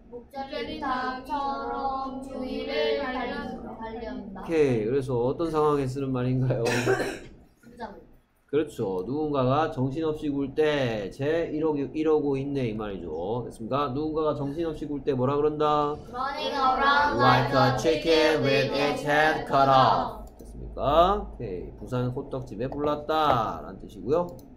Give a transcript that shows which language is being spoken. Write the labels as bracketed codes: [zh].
[ko] 목자리 닭처럼 주위를 달려온다. Okay, 그래서 어떤 상황에 쓰는 말인가요? 그렇죠. 누군가가 정신없이 굴 때 쟤 이러고 있네 이 말이죠. 됐습니까? 누군가가 정신없이 굴 때 뭐라 그런다? [en] Running around like a chicken with its head cut off. [ko] 됐습니까? 오케이. 부산 호떡집에 불났다 라는 뜻이고요.